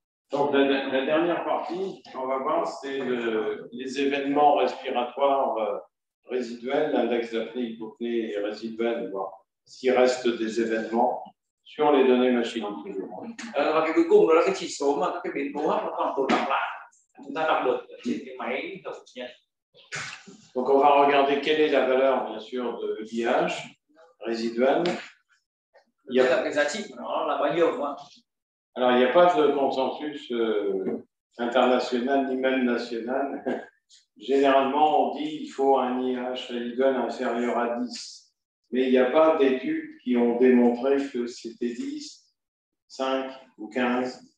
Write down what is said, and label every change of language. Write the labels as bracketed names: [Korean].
[French] Donc la dernière partie qu'on va voir, c'est les événements respiratoires résiduels, l'index d'apnée hypopnée résiduel, voir s'il reste des événements sur les données machines. [Vietnamese] Và cái cuối cùng đó là cái chỉ số mà các cái biến cố hấp nó còn tồn đọng lại, chúng ta đọc được trên cái máy tổng nhận. [French] Donc on va regarder quelle est la valeur bien sûr de VIH résiduel. Il y a [Vietnamese] cái giá trị của nó là bao nhiêu quoi. [French] Alors, il n'y a pas de consensus international ni même national. Généralement, on dit qu'il faut un IH résiduel inférieur à 10. Mais il n'y a pas d'études qui ont démontré que c'était 10, 5 ou 15.